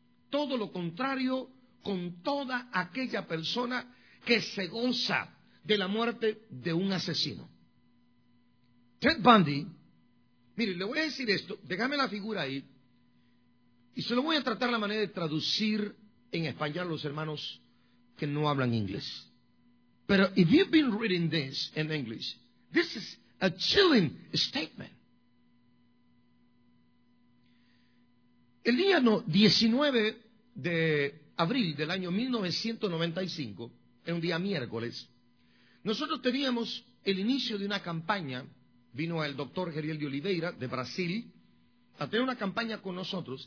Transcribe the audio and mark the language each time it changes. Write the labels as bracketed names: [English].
[Spanish] Todo lo contrario con toda aquella persona que se goza de la muerte de un asesino. Ted Bundy, mire, le voy a decir esto, déjame la figura ahí, y se lo voy a tratar la manera de traducir en español a los hermanos que no hablan inglés. Pero [English] if you've been reading this in English, this is a chilling statement. [Spanish] El día 19 de abril del año 1995, en un día miércoles, nosotros teníamos el inicio de una campaña. Vino el doctor Geriel de Oliveira, de Brasil, a tener una campaña con nosotros.